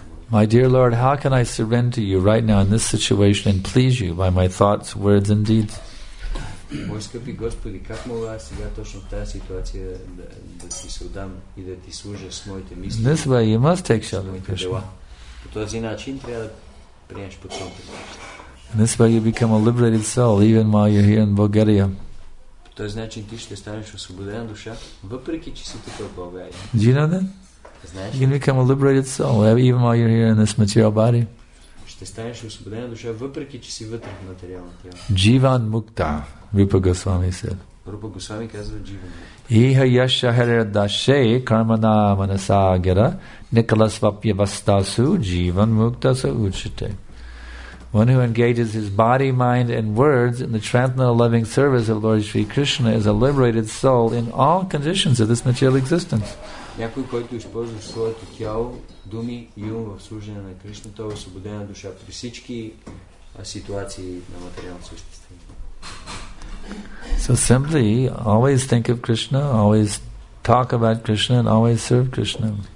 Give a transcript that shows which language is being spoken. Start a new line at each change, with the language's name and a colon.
English: My dear Lord, how can I surrender to you right now in this situation and please you by my thoughts, words, and deeds?
Bulgarian: Мой скъпи Господи, как мога сега точно в тази ситуация да ти се отдам и да ти служа с моите мисли? С моите дела. По този начин трябва да приемеш подсъмта.
English: This way you become a liberated soul even while you're here in Bulgaria.
Bulgarian: По този начин ти ще станеш освободена душа, въпреки че си тук в България.
English: Do you know that?
Bulgarian: Знаеш?
English: You can become a liberated soul even while you're here in this material body.
Bulgarian: Ще станеш освободена душа, въпреки че си вътре в материално тяло.
English: Jivan Mukta. Rupa Goswami said.
Bulgarian: Rupa Goswami казва Jivan.
Sanskrit: Iha yasha haradashe karmana manasagara nikalasvapyavastasu jivan mukta sa uchite.
English: One who engages his body, mind, and words in the transcendental loving service of Lord Sri Krishna is a liberated soul in all conditions of this material existence.
Bulgarian: Някой, който използва своето тяло, думи и ум в служение на Кришна, той е освободена душа при всички ситуации на материално съществуване.
English: So simply, always think of Krishna, always talk about Krishna, and always serve Krishna.